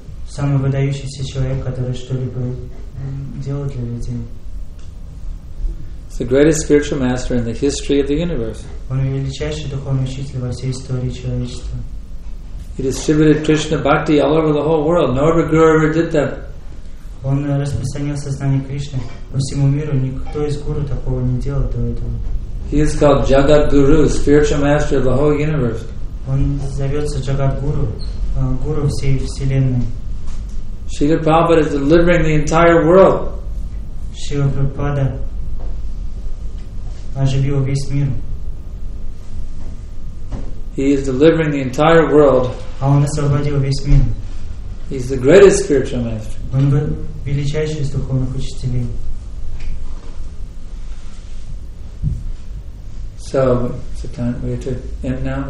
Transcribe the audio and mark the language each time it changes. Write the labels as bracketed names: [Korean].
[Russian] Самый выдающийся человек, который что-либо делает для людей. [English] The greatest spiritual master in the history of the universe. [Russian] Он величайший духовный учитель во всей истории человечества. [English] He distributed Krishna bhakti all over the whole world. No other guru ever did that. [Russian] Он распространил сознание Кришны по всему миру. Никто из гуру такого не делал до этого. [English] He is called Jagat Guru, spiritual master of the whole universe. [Russian] Он зовется Jagat Guru, гуру всей вселенной. [English] Srila Prabhupada is delivering the entire world. [Russian] Srila Prabhupada оживил весь мир. [English] He is delivering the entire world. [Russian] А он освободил весь мир. [English] He is the greatest spiritual master. [Russian] Он был величайший из духовных учителей. [English] So, it's the time we have to end now.